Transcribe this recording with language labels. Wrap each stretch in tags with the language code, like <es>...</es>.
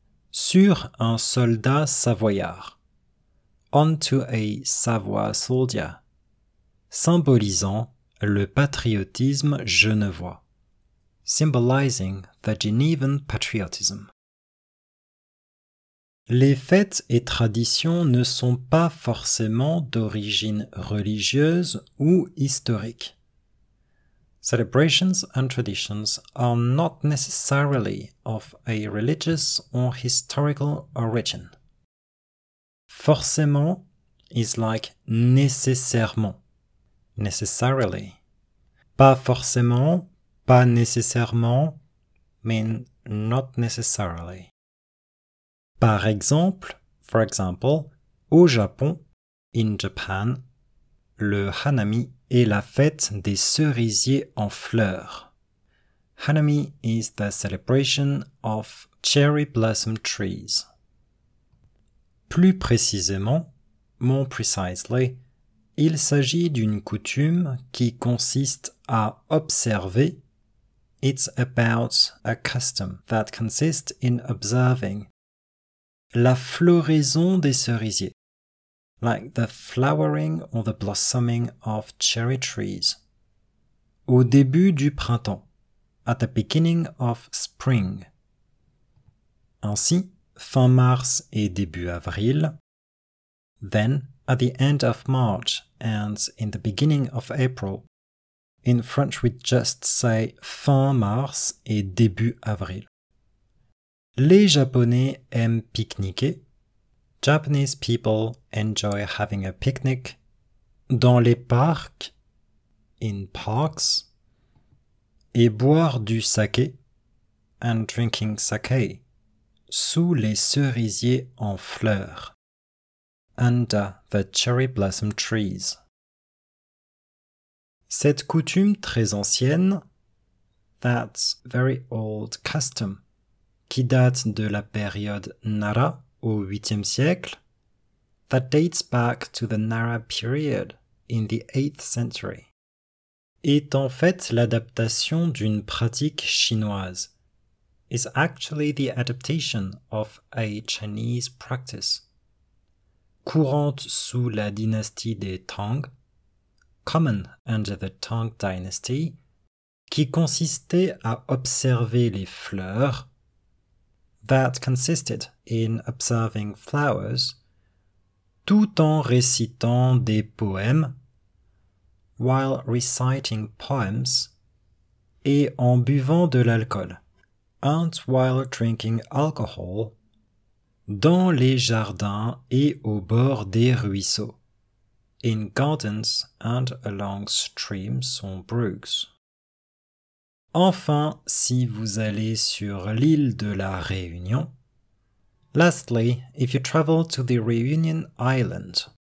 <fr>sur un soldat savoyard,</fr> <en>onto a Savoy soldier,</en> <fr>symbolisant le patriotisme genevois,</fr> <en>symbolizing the Genevan patriotism.</en> <fr>Les fêtes et traditions ne sont pas forcément d'origine religieuse ou historique.</fr> <en>Celebrations and traditions are not necessarily of a religious or historical origin. Forcément is like nécessairement. Necessarily.</en> <fr>Pas forcément, pas nécessairement, mean</fr> <en>not necessarily.</en> <fr>Par exemple,</fr> <en>for example,</en> <fr>au Japon,</fr> <en>in Japan,</en> <fr>le hanami est la fête des cerisiers en fleurs.</fr> <en>Hanami is the celebration of cherry blossom trees.</en> <fr>Plus précisément,</fr> <en>more precisely,</en> <fr>il s'agit d'une coutume qui consiste à observer.</fr> <en>It's about a custom that consists in observing.</en> <fr>La floraison des cerisiers.</fr> <en>Like the flowering or the blossoming of cherry trees.</en> <fr>Au début du printemps.</fr> <en>At the beginning of spring.</en> <fr>Ainsi, fin mars et début avril.</fr> <en>Then, at the end of March and in the beginning of April. In French, we just say</en> <fr>fin mars et début avril. Les Japonais aiment pique-niquer.</fr> <en>Japanese people enjoy having a picnic.</en> <fr>Dans les parcs.</fr> <en>In parks.</en> <fr>Et boire du saké.</fr> <en>And drinking sake.</en> <fr>Sous les cerisiers en fleurs.</fr> <en>Under the cherry blossom trees.</en> <fr>Cette coutume très ancienne.</fr> <en>That's very old custom.</en> <fr>Qui date de la période Nara au 8e siècle,</fr> <en>that dates back to the Nara period in the 8th century,</en> <fr>est en fait l'adaptation d'une pratique chinoise,</fr> <en>is actually the adaptation of a Chinese practice,</en> <fr>courante sous la dynastie des Tang,</fr> <en>common under the Tang dynasty,</en> <fr>qui consistait à observer les fleurs,</fr> <en>that consisted in observing flowers,</en> <fr>tout en récitant des poèmes,</fr> <en>while reciting poems,</en> <fr>et en buvant de l'alcool,</fr> <en>and while drinking alcohol,</en> <fr>dans les jardins et au bord des ruisseaux,</fr> <en>in gardens and along streams or brooks.</en> <fr>Enfin, si vous allez sur l'île de la Réunion.</fr> <en>Lastly, if you travel to the Reunion Island.</en>